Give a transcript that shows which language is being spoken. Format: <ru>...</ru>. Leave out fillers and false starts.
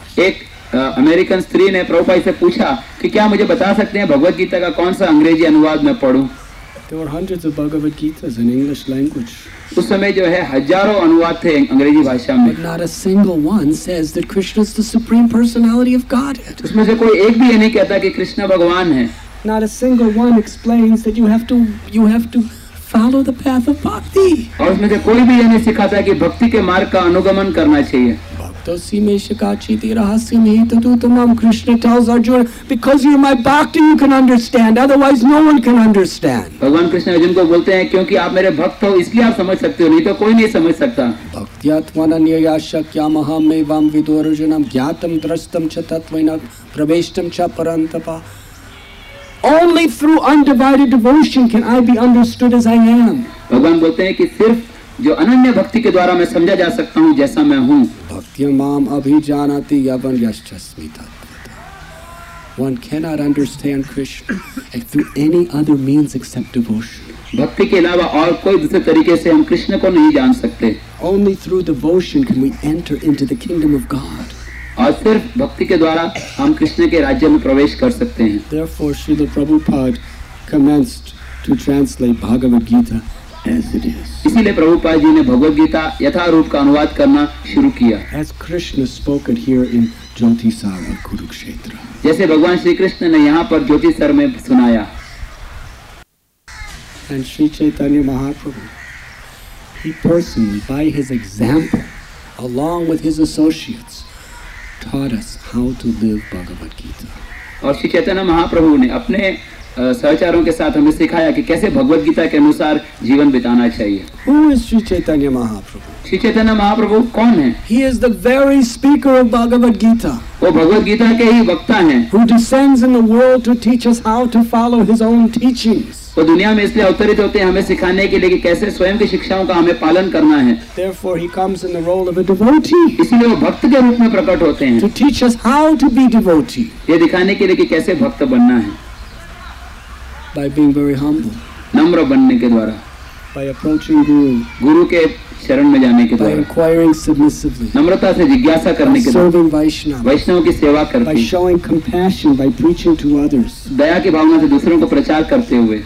<hi>एक अमेरिकन स्त्री ने प्रभुपाद से पूछा कि क्या मुझे बता सकते हैं भगवद गीता का कौन सा अंग्रेजी अनुवाद मैं पढूं?</hi> <en>There were hundreds of Bhagavad Gitas in English language.</en> <hi>उस समय जो है हजारों अनुवाद थे अंग्रेजी भाषा में.</hi> <en>Not a single one says that Krishna is the supreme personality of Godhead.</en> <hi>उसमें से कोई एक भी ये नहीं कहता कि कृष्ण भगवान है.</hi> <en>Not a single one explains that you have to follow the path of bhakti.</en> <hi>और उसमें से कोई भी ये नहीं सिखाता कि भक्ति के मार्ग का अनुगमन करना चाहिए.</hi> <en>Krishna tells Arjuna, because you're my bhakti, you can understand. Otherwise, no one can understand.</en> <hi>भगवान कृष्ण अर्जुन को बोलते हैं क्योंकि आप मेरे भक्त हो इसलिए आप समझ सकते हो नहीं तो कोई नहीं समझ सकता.</hi> <sa>भक्त्यात्मन अन्ययाशक्यामहमेवं विदुः अर्जुनं ज्ञातं द्रष्टं च तत्त्वेन प्रवेष्टं च परन्तपः.</sa> <en>Only through undivided devotion can I be understood as I am.</en> <hi>भगवान बोलते हैं कि सिर्फ जो अनन्य भक्ति के द्वारा मैं समझा जा सकता हूँ जैसा मैं हूँ.</hi> <sa>माम अभी जानाति यवन यश्चस्मितात्मता.</sa> <en>One cannot understand Krishna through any other means except devotion.</en> <hi>भक्ति के अलावा और कोई दूसरे तरीके से हम कृष्ण को नहीं जान सकते.</hi> <en>Only through devotion can we enter into the kingdom of God.</en> <hi>और सिर्फ भक्ति के द्वारा हम कृष्ण के राज्य में प्रवेश कर सकते हैं.</hi> <en>Therefore, Śrīla Prabhupāda commenced to translate Bhagavad Gita as it is.</en> <hi>इसीलिए प्रभुपाद जी ने भगवद गीता यथारूप का अनुवाद करना शुरू किया.</hi> <en>As Krishna spoke it here in Jyoti Sagar Kurukshetra.</en> <hi>जैसे भगवान श्री कृष्ण ने यहाँ पर ज्योति सर में सुनाया.</hi> <en>And Sri Chaitanya Mahaprabhu, he personally, by his example, along with his associates, taught us how to live Bhagavad Gita.</en> <hi>और श्री चैतन्य महाप्रभु ने अपने सहचारों के साथ हमें सिखाया कि कैसे भगवत गीता के अनुसार जीवन बिताना चाहिए.</hi> <en>Who is Sri Chaitanya Mahaprabhu?</en> <hi>Sri Chaitanya Mahaprabhu कौन है?</hi> <en>He is the very speaker of Bhagavad Gita.</en> <hi>वो भगवत गीता के ही वक्ता हैं.</hi> <en>Who descends in the world to teach us how to follow his own teachings.</en> <hi>वो दुनिया में इसलिए अवतरित होते हैं हमें सिखाने के लिए कि कैसे स्वयं की शिक्षाओं का हमें पालन करना है.</hi> <en>Therefore he comes in the role of a devotee.</en> <hi>इसलिए वो भक्त के रूप में प्रकट होते हैं.</hi> <en>To teach us how to be devotee.</en> <hi>ये दिखाने के लिए कि कैसे भक्त बनना है.</hi> <en>By being very humble.</en> <hi>नम्र बनने के द्वारा.</hi> <en>By approaching guru.</en> <hi>गुरु के शरण में जाने के द्वारा.</hi> <en>By inquiring submissively.</en> <hi>नम्रता से जिज्ञासा करने के द्वारा.</hi> <en>Serving Vaishnava.</en> <hi>वैष्णव की सेवा करके.</hi> <en>By showing compassion, by preaching to others.</en> <hi>दया की भावना से दूसरों को प्रचार करते हुए.</hi>